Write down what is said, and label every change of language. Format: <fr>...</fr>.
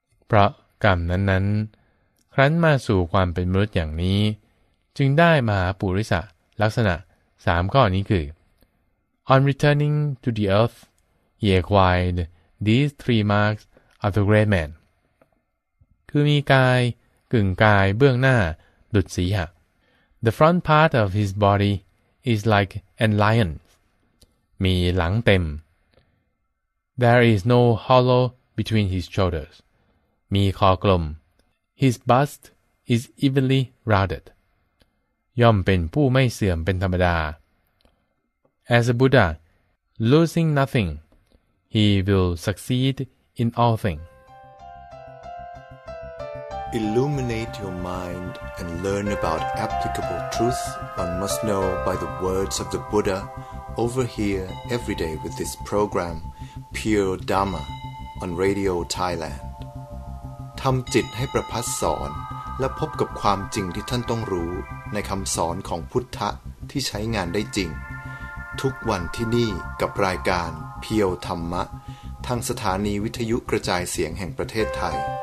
<th>พระกรรมนั้นนั้นครั้นมาสู่ความเป็นมนุษย์อย่างนี้จึงได้มหาปุริสลักษณะ3ข้อนี้คือ</th> <en>On returning to the earth, he acquired these three marks of the great man.</en> <th>คือมีกายกึ่งกายเบื้องหน้าดุจสีหะ</th> <en>The front part of his body is like a lion.</en> <th>มีหลังเต็ม</th> <en>There is no hollow between his shoulders.</en> <th>มีคอกลม</th> <en>His bust is evenly rounded.</en> <th>ย่อมเป็นผู้ไม่เสื่อมเป็นธรรมดา</th> <en>As a Buddha, losing nothing, he will succeed in all things. Illuminate your mind and learn about applicable truth one must know by the words of the Buddha over here every day with this program, Pure Dharma, on Radio Thailand.</en> <th>ทำจิตให้ประพัสสอนและพบกับความจริงที่ท่านต้องรู้ในคำสอนของพุทธะที่ใช้งานได้จริงทุกวันที่นี่กับรายการเพียวธรรมะทางสถานีวิทยุกระจายเสียงแห่งประเทศไทย</th>